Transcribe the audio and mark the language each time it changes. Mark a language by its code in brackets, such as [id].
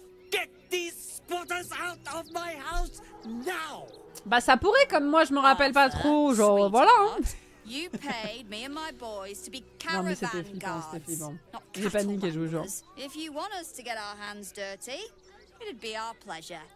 [en] Get these squatters out of my house now! [fr] Bah, ça pourrait, comme moi, je me rappelle pas trop. Genre, voilà. [en] You paid me and my boys to be caravan guards. [fr] Non, mais c'était flippant. J'ai paniqué, je vous jure. [en] If you want us to get our hands dirty, it'd be our pleasure.